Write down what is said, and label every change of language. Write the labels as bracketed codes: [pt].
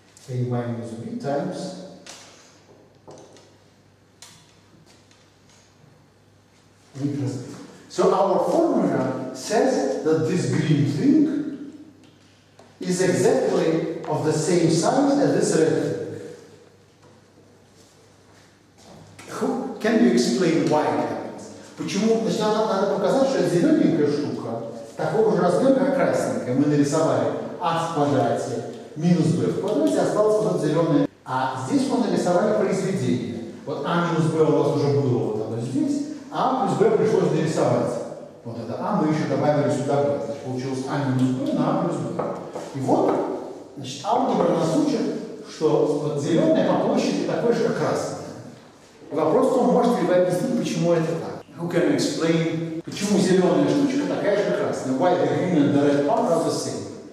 [en] A minus b times b plus b. So our formula says that this green thing is exactly of the same size as this red thing. Can you explain why? [ru] Почему? Значит, нам надо показать, что зелененькая штука такого же размера, как красненькая. Мы нарисовали а в квадрате минус b в квадрате, остался вот зеленый. А здесь мы нарисовали произведение. Вот а минус b у нас уже было вот оно здесь. А плюс b пришлось нарисовать. Вот это а мы еще добавили сюда b. Значит, получилось а минус b на а плюс b. И вот, значит, алгебра нас учит, что вот зеленая по площади такой же, как красная. Вопрос в том, можете ли вы объяснить, почему это так? [en] Who can explain [ru] почему зеленая штучка такая же красная? [en] Why the green and the red part are the same?